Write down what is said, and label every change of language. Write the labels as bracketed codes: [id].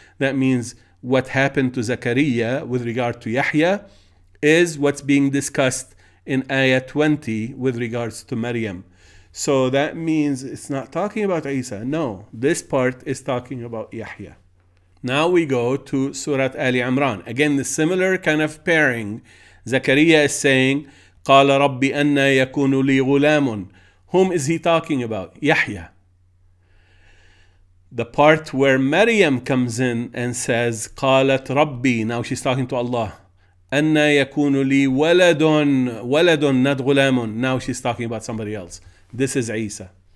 [en] That means what happened to Zakariya with regard to Yahya is what's being discussed in Ayah 20 with regards to Maryam. So that means it's not talking about Isa. No, this part is talking about Yahya. Now we go to Surah Ali Imran. Again, the similar kind of pairing. Zakariya is saying, [ar] قَالَ رَبِّ أَنَّا يَكُونُ لِي غُلَامٌ. [en] Whom is he talking about? Yahya. The part where Maryam comes in and says, [ar] قَالَتْ رَبِّي, [en] now she's talking to Allah, [ar] أَنَّا يَكُونُ لِي وَلَدٌ, وَلَدٌ نَدْ غُلَامٌ, [en] now she's talking about somebody else. This is Isa.